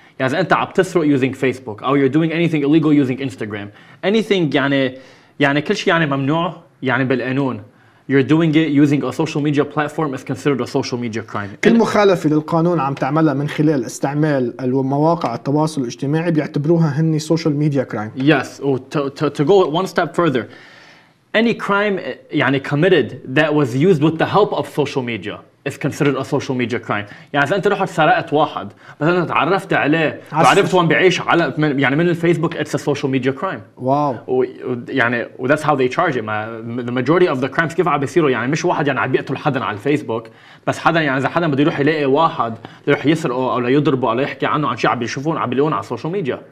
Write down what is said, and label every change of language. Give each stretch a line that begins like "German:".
Arabic: يعني إذا أنت عم تسرق
English: using Facebook
Arabic: أو
English: you're doing anything illegal using Instagram anything
Arabic: يعني كل شيء يعني ممنوع يعني بالقانون.
English: You're doing it using a social media platform is considered a social media crime.
Arabic: كل مخالفة للقانون عم تعملها من خلال استعمال المواقع التواصل الاجتماعي بيعتبروها هني
English: social media crime. Yes. To go one step further, any crime يعني committed that was used with the help of social media is considered a social media crime.
Arabic: يعني إذا أنت رحت سرقت واحد بس أنت تعرفت عليه تعرفت وين بيعيش على من يعني من الفيسبوك
English: it's a social media crime. Wow. ويعني that's how they charge it. The majority of the crimes
Arabic: كيف عم بيصيروا يعني مش واحد يعني عم بيقتل حدا على الفيسبوك بس حدا يعني إذا حدا بده يروح يلاقي واحد يروح يسرقه أو لا يضربه أو لا يحكي عنه عن شيء عم بيشوفون عم بيلون على السوشيال ميديا.